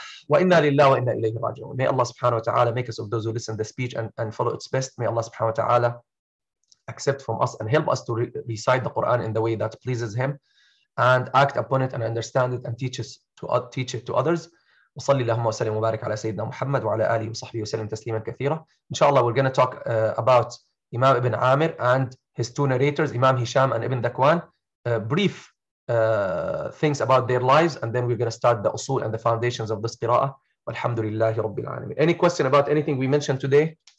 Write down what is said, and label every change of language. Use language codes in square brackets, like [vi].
[ar] وَإِنَّا لِلَّهِ وَإِنَّا إِلَيْهِ رَاجِعُونَ. [en] May Allah subhanahu wa ta'ala make us of those who listen to the speech and follow its best. May Allah subhanahu wa ta'ala accept from us and help us to recite the Quran in the way that pleases Him and act upon it and understand it and teach it to others. [ar] وصلي اللهم وسلم وبارك على سيدنا محمد وعلى آله وصحبه وسلم تسليما كثيرا. [en] Inshallah, we're going to talk about Imam Ibn Amir and his two narrators, Imam Hisham and Ibn Dakwan. Brief things about their lives, and then we're going to start the usul and the foundations of this qira'ah. [ar] Walhamdulillahi Rabbil Alameen. [en] Any question about anything we mentioned today?